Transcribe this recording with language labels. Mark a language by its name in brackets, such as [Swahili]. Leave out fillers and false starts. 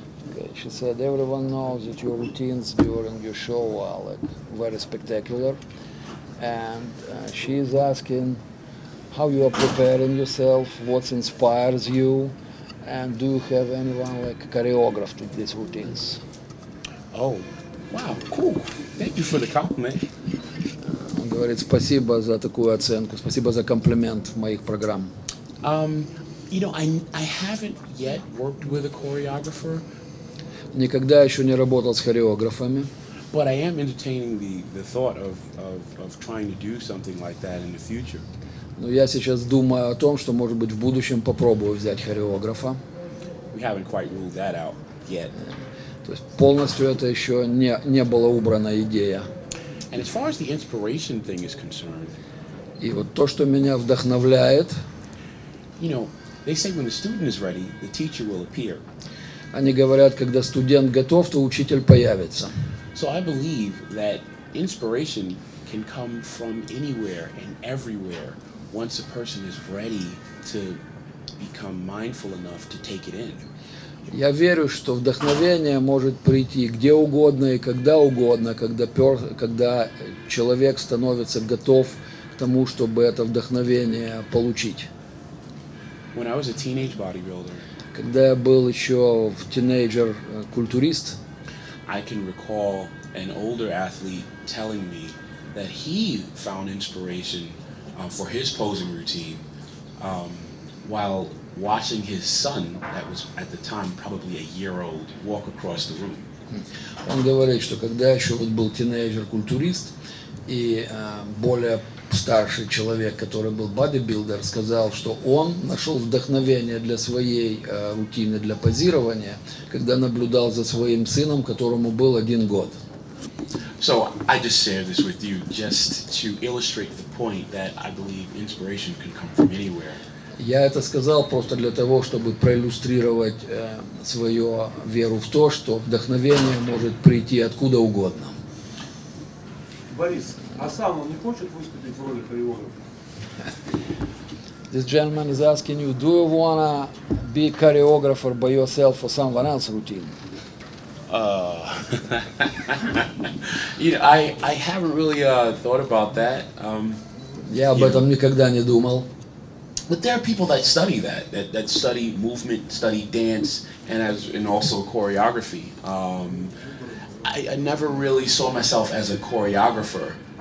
[English] Okay, she said everyone knows that your routines during your show are like very spectacular, and she is asking how you are preparing yourself, what inspires you, and do you have anyone like choreographed these routines? Oh, wow, cool. Thank you for the compliment. [Russian] Говорит, спасибо за такую оценку, спасибо за комплимент моих программ. [English] You know, I haven't yet worked with a choreographer. [Russian] Никогда еще не работал с хореографами. [English] But I am entertaining the thought of trying to do something like that in the future. [Russian] Но я сейчас думаю о том, что, может быть, в будущем попробую взять хореографа. [English] We haven't quite ruled that out yet. [Russian] То есть полностью это еще не была убрана идея. [English] And as far as the inspiration thing is concerned, [Russian] и вот то, что меня вдохновляет, [English] you know, they say when the student is ready, the teacher will appear. [Russian] Они говорят, когда студент готов, то учитель появится. [English] So I believe that inspiration can come from anywhere and everywhere once a person is ready to become mindful enough to take it in. [Russian] Я верю, что вдохновение может прийти где угодно и когда угодно, когда человек становится готов к тому, чтобы это вдохновение получить. Когда я был еще в тинейджер-культурист, [English] I can recall an older athlete telling me that he found inspiration for his posing routine while watching his son, that was at the time probably a year old, walk across the room. [Russian] Он говорит, что когда еще вот был тинейджер-культурист, и более старший человек, который был бодибилдер, сказал, что он нашел вдохновение для своей рутины, для позирования, когда наблюдал за своим сыном, которому был один год. [English] So I just share this with you just to illustrate the point that I believe inspiration can come from anywhere. [Russian] Я это сказал просто для того, чтобы проиллюстрировать свою веру в то, что вдохновение может прийти откуда угодно. Борис, а сам он не хочет выступить в роли хореографа? [English] This gentleman is asking you, do you wanna be choreographer by yourself for someone else's routine? You know, I haven't really thought about that. [Russian] Я об этом никогда не думал. [English] But there are people that study that, that study movement, study dance, and also choreography. I never really saw myself as a choreographer.